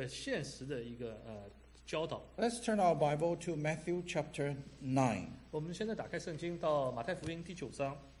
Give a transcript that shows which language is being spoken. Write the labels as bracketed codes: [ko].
[zh] 他在那里所彰显给别人看的就是生动的一个现实的一个教导。 [en] Let's turn our Bible to Matthew chapter 9. [zh] 我们现在打开圣经到马太福音第九章。